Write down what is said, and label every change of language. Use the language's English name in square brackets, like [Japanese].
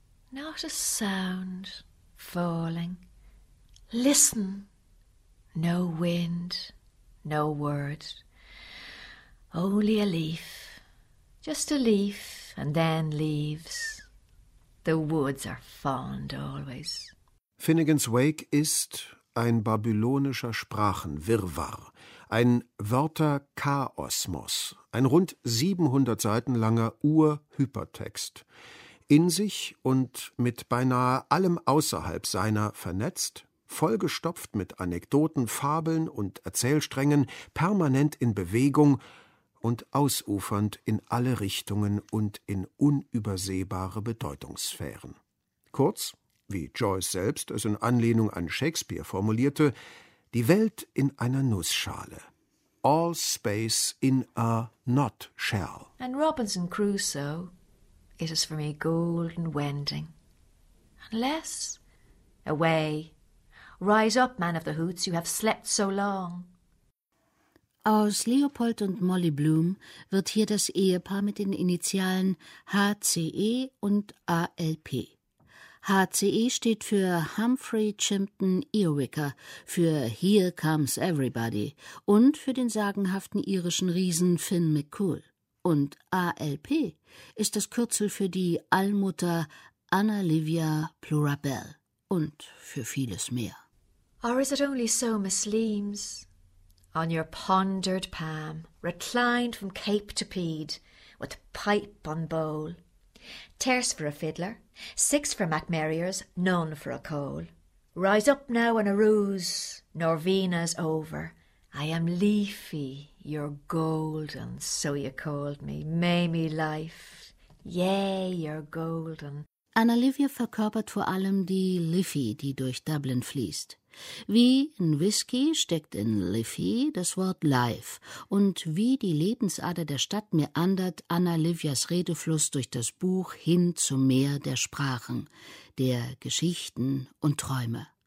[English] Not a sound falling. Listen. No wind, no word, only a leaf, just a leaf, and then leaves. The woods are fond always. [German] Finnegan's Wake ist ein babylonischer Sprachenwirrwarr, ein Wörterchaosmos, ein rund 700 Seiten langer Urhypertext. In sich und mit beinahe allem außerhalb seiner vernetzt, vollgestopft mit Anekdoten, Fabeln und Erzählsträngen, permanent in Bewegung und ausufernd in alle Richtungen und in unübersehbare Bedeutungssphären. Kurz, wie Joyce selbst es in Anlehnung an Shakespeare formulierte, die Welt in einer Nussschale. [English] All space in a nutshell. And Robinson Crusoe, it is for me golden wending. Unless, away. Rise up, man of the hoots, you have slept so long. [German] Aus Leopold und Molly Bloom wird hier das Ehepaar mit den Initialen HCE und ALP. HCE steht für Humphrey Chimpton Earwicker, für Here Comes Everybody und für den sagenhaften irischen Riesen Finn McCool. Und ALP ist das Kürzel für die Allmutter Anna Livia Plurabel und für vieles mehr. [English] Or is it only so, Miss Leams? On your pondered palm, reclined from cape to peed, with pipe on bowl. Terce for a fiddler, six for MacMarriers, none for a coal. Rise up now and arouse, Norvina's over. I am leafy, you're golden, so you called me. Mamie Life, yea, you're golden. [German] Anna Livia verkörpert vor allem die Liffey, die durch Dublin fließt. Wie in Whisky steckt in Liffey das Wort Life und wie die Lebensader der Stadt meandert Anna Livias Redefluss durch das Buch hin zum Meer der Sprachen, der Geschichten und Träume.